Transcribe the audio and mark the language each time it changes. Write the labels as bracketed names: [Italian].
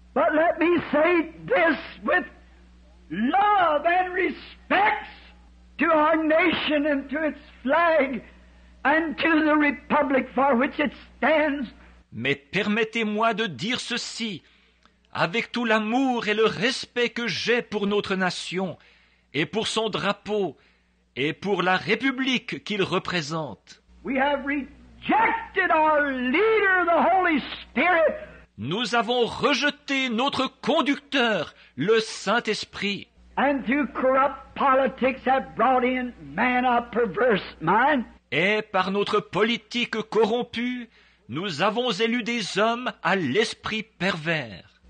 [English] But let me say this with love and respect to our nation and to its flag. And to the republic for which it stands. [French] Mais permettez-moi de dire ceci, avec tout l'amour et le respect que j'ai pour notre nation, et pour son drapeau, et pour la république qu'il représente. [English] We have rejected our leader, the Holy Spirit. [French] Nous avons rejeté notre conducteur, le Saint-Esprit. [English] And through corrupt politics have brought in man of perverse mind. [French] Et par notre politique corrompue, nous avons élu des hommes à l'esprit pervers.